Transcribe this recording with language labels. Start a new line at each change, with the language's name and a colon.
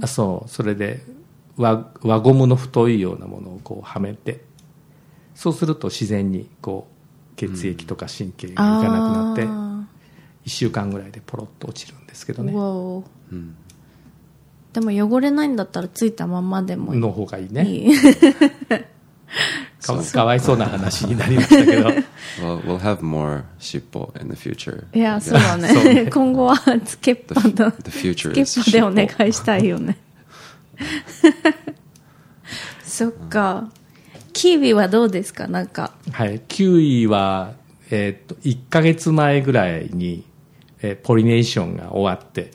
Japanese: あ、そう、それで 輪ゴムの太いようなものをこうはめて、そうすると自然にこう血液とか神経がいかなくなって、うん、1週間ぐらいでポロッと落ちるんですけどね。わお、うん、でも汚れないんだったらついたままでもいいの方がいいね。かわいそうな話になりましたけど。
English: Well, we'll have more 尻尾 in the future.
Japanese: いや、そうだね。今後はつけっぱの、つけっぱでお願いしたいよね。そっか。キウイはどうですか？なんか。はい、キウイは、 1ヶ月前ぐらいに、ポリネーションが終わって、